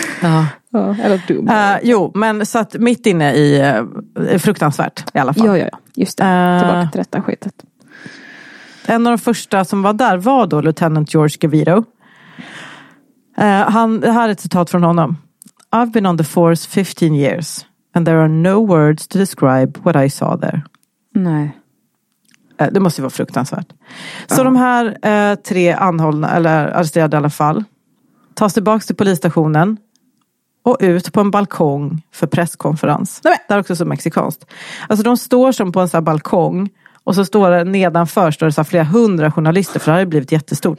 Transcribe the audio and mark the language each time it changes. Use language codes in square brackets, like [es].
[sv] Ja. Eller dum. Jo, men så att mitt inne i fruktansvärt i alla fall. Ja. Just det. Tillbaka till detta skitet. En av de första som var där var då Lieutenant George Gaviro. Det här är ett citat från honom. [en] I've been on the force 15 years. And there are no words to describe what I saw there. [sv] Nej. Det måste ju vara fruktansvärt. Så de här tre anhållna, eller arresterade i alla fall, tas tillbaka till polisstationen och ut på en balkong för presskonferens. Nej. Där är också så mexikanskt. Alltså de står som på en sån här balkong och så står det nedanför står det så här flera hundra journalister, för det har blivit jättestort.